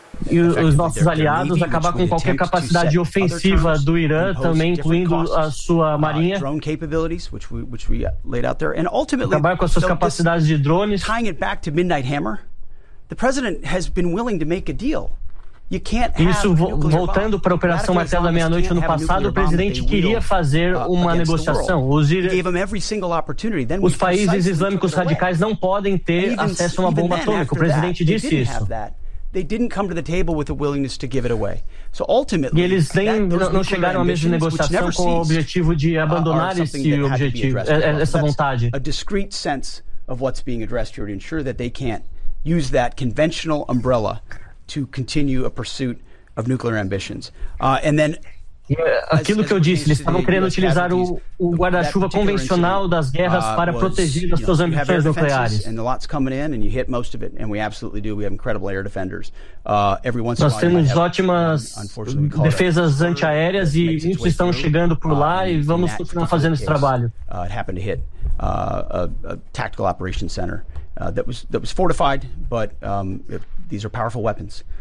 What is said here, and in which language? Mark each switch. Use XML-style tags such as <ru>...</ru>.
<pt>e os nossos aliados acabar com qualquer capacidade ofensiva do Irã, também incluindo a sua marinha, acabar com as suas capacidades de drones.</pt> <en>Tying it back to Midnight Hammer, the president has been willing to make a deal. You can't have</en> <pt>isso voltando para a Operação Martelo da Meia-Noite ano passado, o presidente queria fazer uma negociação. Os países islâmicos radicais não podem ter acesso a uma bomba atômica. O presidente disse isso.</pt> <en>They didn't come to the table with a willingness to give it away. So ultimately,</en> <pt>e eles nem não chegaram à mesma negociação com o objetivo de abandonar esse objetivo, essa vontade.</pt> <en>A discreet sense of what's being addressed here to ensure that they can't use that conventional umbrella to continue a pursuit of nuclear ambitions. And then,</en> <pt>aquilo que eu disse, eles estavam querendo utilizar o guarda-chuva convencional das guerras para proteger as suas ambições nucleares.</pt> <en>And the lots coming in, and you hit most of it, and we absolutely do. We have incredible air defenders. Every once</en> <pt>nós temos ótimas defesas antiaéreas e muitos estão chegando por lá e vamos continuar fazendo esse trabalho.</pt> <en>It happened to hit a tactical operations center that was fortified, but these are powerful weapons.</en>